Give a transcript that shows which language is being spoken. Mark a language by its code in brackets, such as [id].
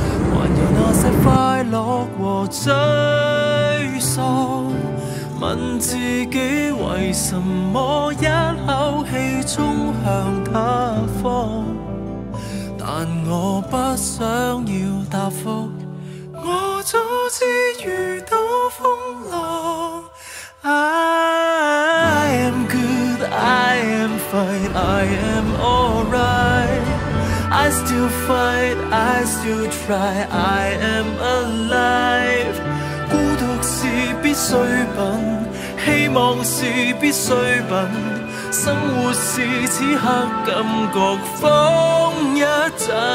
[zh] 还有那些快乐和沮丧，问自己为什么一口气冲向他方，但我不想要答复，我早知遇到风浪。 [en] I am good, I am fine, I am alright. I still fight, I still try, I am alive. [zh] 孤独是必需品，希望是必需品，生活是此刻感觉疯一阵。